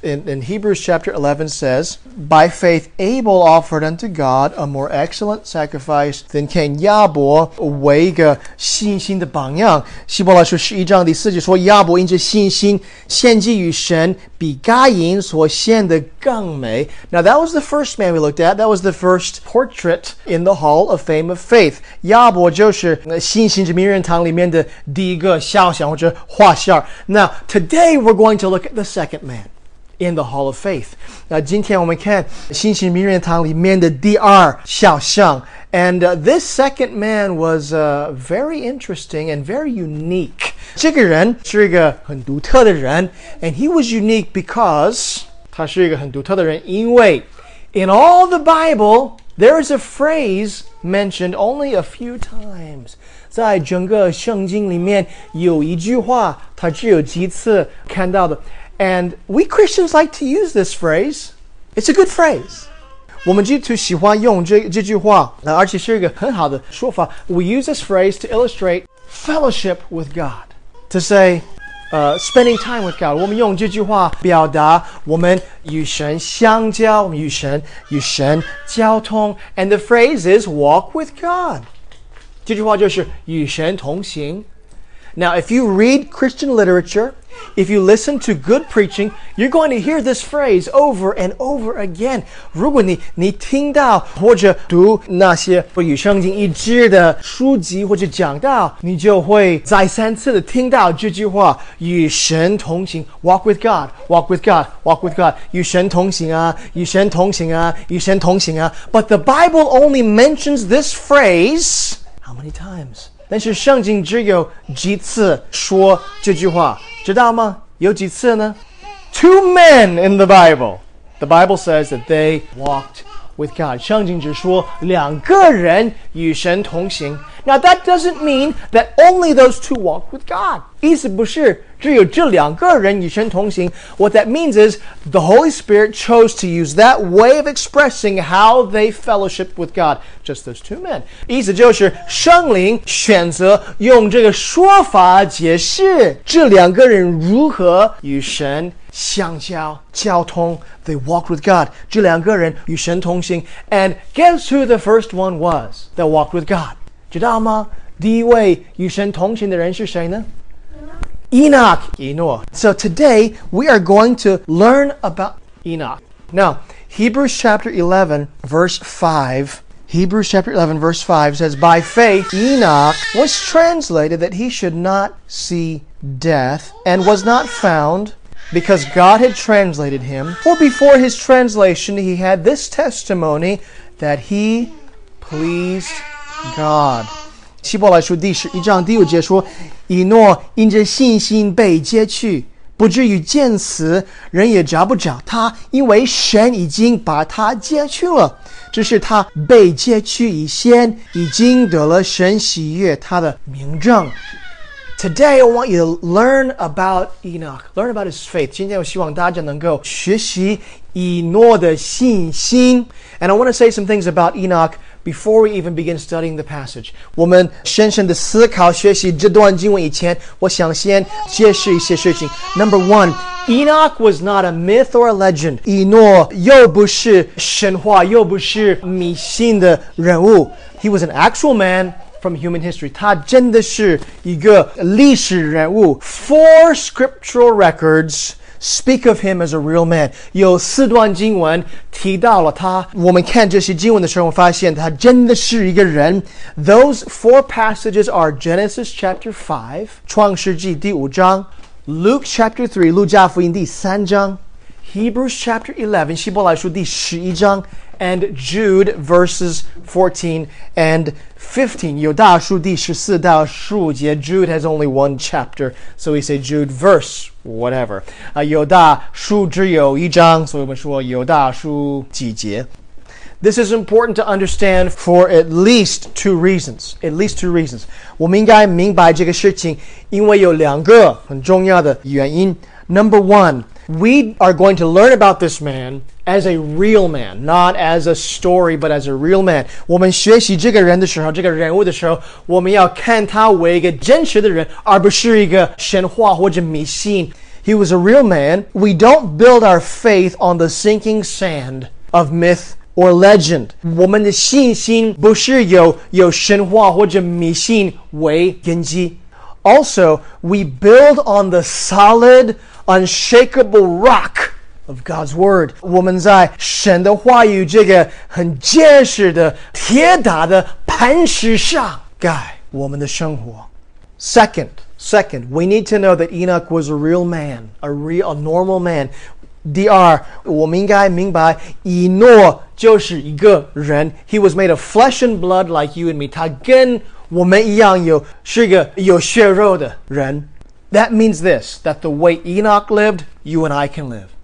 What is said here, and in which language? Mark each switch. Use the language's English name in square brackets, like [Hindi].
[English] In Hebrews chapter 11 says, By faith Abel offered unto God a more excellent sacrifice than Cain. [Chinese] 亚伯为一个信心的榜样。希伯来书十一章第四节说，亚伯因着信心献祭于神，比该隐所献的更美。 [English] Now that was the first man we looked at. That was the first portrait in the Hall of Fame of Faith. [Chinese] 亚伯就是信心之名人堂里面的第一个肖像或者画像。 [English] Now,Today, we're going to look at the second man in the Hall of Faith. [Chinese] 那今天我们看信心名人堂里面的第二肖像。 [English] And this second man was very interesting and very unique. [Chinese] 这个人是一个很独特的人。 [English] And he was unique because... [Chinese] 他是一个很独特的人因为 [English] In all the Bible, there is a phrase mentioned only a few times. [Chinese] 在整个圣经里面有一句话它只有几次看到的。 [English] And we Christians like to use this phrase. It's a good phrase. [Chinese] 我们基督徒喜欢用 这句话，而且是一个很好的说法。 [English] We use this phrase to illustrate fellowship with God. To say, spending time with God. [Chinese] 我们用这句话表达我们与神相交，我们与神交通。 [English] And the phrase is walk with God. [Chinese] 这句话就是与神同行。 [English] Now, if you read Christian literature, if you listen to good preaching, you're going to hear this phrase over and over again. [Chinese] 如果你听到或者读那些与圣经一致的书籍或者讲道，你就会再三次的听到这句话，与神同行 , [English] walk with God, walk with God, [Chinese] walk with God, 与神同行啊，与神同行啊，与神同行啊。 [English] But the Bible only mentions this phrase... How many times? [Chinese] 但是圣经只有几次说这句话，知道吗？有几次呢？ [English] Two men in the Bible. The Bible says that they walked with God. [Chinese] 圣经只说两个人与神同行。 [English] Now that doesn't mean that only those two walk with God. [Chinese] 意思不是只有这两个人与神同行。 [English] What that means is the Holy Spirit chose to use that way of expressing how they fellowship with God. Just those two men. [Chinese] 意思就是圣灵选择用这个说法解释这两个人如何与神相交交通。 [English] They walked with God. [Chinese] 这两个人与神同行。 [English] And guess who the first one was that walked with God? [Chinese] 知道吗？第一位与神同行的人是谁呢？ Enoch, 以诺。 [English] So today, we are going to learn about Enoch. Now, Hebrews chapter 11, verse 5, Hebrews chapter 11, verse 5 says, By faith, Enoch was translated that he should not see death and was not found because God had translated him. For before his translation, he had this testimony that he pleased God. [Chinese] 希伯来书第十一章第五节说以诺因着信心被接去不至于见死人也找不着他因为神已经把他接去了这是他被接去以先已经得了神喜悦他的名证 [English] Today I want you to learn about Enoch learn about his faith [Chinese] 今天我希望大家能够学习以诺的信心 [English] And I want to say some things about EnochBefore we even begin studying the passage, [Chinese] 我们深深地思考学习这段经文以前，我想先解释一些事情。 [English] Number one, Enoch was not a myth or a legend. [Chinese] 以诺又不是神话，又不是迷信的人物。 [English] He was an actual man from human history. [Chinese] 他真的是一个历史人物。 [English] Four scriptural records. Speak of him as a real man. [Chinese] 有四段经文提到了他。我们看这些经文的时候，我们发现他真的是一个人。 [English] Those four passages are Genesis chapter 5, [Chinese] 创世纪第五章, [English] Luke chapter 3, [Chinese] 路加福音第三章, [English] Hebrews chapter 11, [Chinese] 希伯来书第十一章, [English] and Jude verses 14 and 15. [Chinese] 有大书第十四到十五节, [English] Jude has only one chapter, so we say Jude verse. Whatever. [Chinese] 有大书只有一章所以我们说有大书几节 [English] This is important to understand for at least two reasons. At least two reasons. [Chinese] 我们应该明白这个事情因为有两个很重要的原因 [English] Number one, we are going to learn about this man as a real man, not as a story, but as a real man. [Chinese] 我们学习这个人的时候这个人物的时候我们要看他为一个真实的人而不是一个神话或者迷信。 [English] He was a real man. We don't build our faith on the sinking sand of myth or legend. [Chinese] 我们的信心不是有神话或者迷信为根基。 [English] Also, we build on the solid, unshakable rock of God's Word. [Chinese] 我们在神的话语这个很坚实的铁打的磐石上 盖我们的生活。 [English] Second, we need to know that Enoch was a real man, a normal man. [Chinese] 第二，我们应该明白以诺就是一个人。 [English] He was made of flesh and blood like you and me. [Chinese] 他跟我们一样是一个有血肉的人。 [English] That means this, that the way Enoch lived, you and I can live.